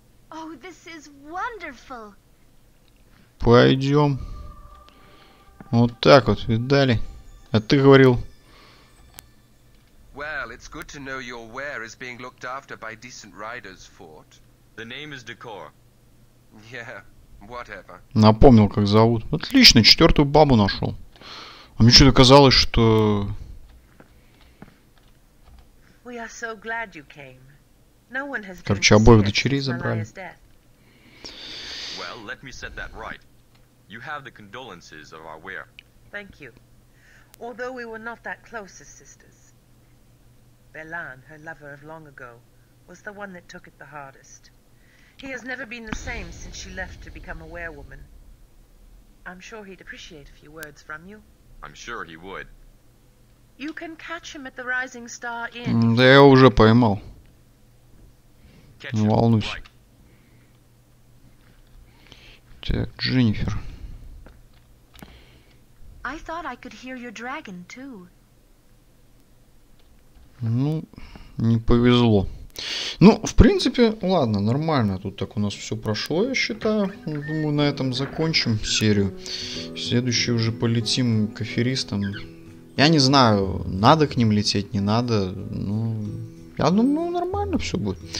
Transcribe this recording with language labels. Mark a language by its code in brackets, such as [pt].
[en] Oh, this is wonderful. [ru] Пойдем. Вот так вот, видали? А ты говорил. [en] Well, it's good to know your wear is being looked after by decent riders, Fort. The name is Decor. Yeah, whatever. [ru] Напомнил, как зовут. Отлично, четвертую бабу нашел. А мне что-то казалось, что... [en] We are so glad you came. No one has been [ru] короче, обоих дочерей забрали. [en] Well, let me set that right. You have the condolences of our wear. Thank you. Although we were not that close as sisters. Belan, her lover of long ago, was the one that took it the hardest. He has never been the same since she left to become a werewoman. I'm sure he'd appreciate a few words from you. I'm sure he would. You can catch him at the Rising Star Inn. [ru] Да я уже поймал. Не волнуйся. Так, Дженнифер. [en] I thought I could hear your dragon too. [ru] Ну, не повезло. Ну, в принципе, ладно, нормально. Тут так у нас все прошло, я считаю. Думаю, на этом закончим серию. Следующий уже полетим к аферистам. Я не знаю, надо к ним лететь, не надо. Ну, я думаю, нормально все будет.